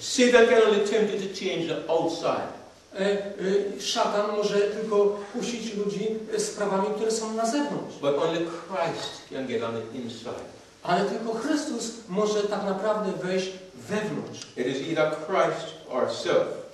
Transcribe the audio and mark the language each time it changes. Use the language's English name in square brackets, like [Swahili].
[English] Satan can only attempt to change the outside. [Polish] Szatan może tylko kusić ludzi sprawami, które są na zewnątrz. [English] But only Christ can get on the inside. [Polish] Ale tylko Chrystus może tak naprawdę wejść wewnątrz. [English] It is either Christ or self.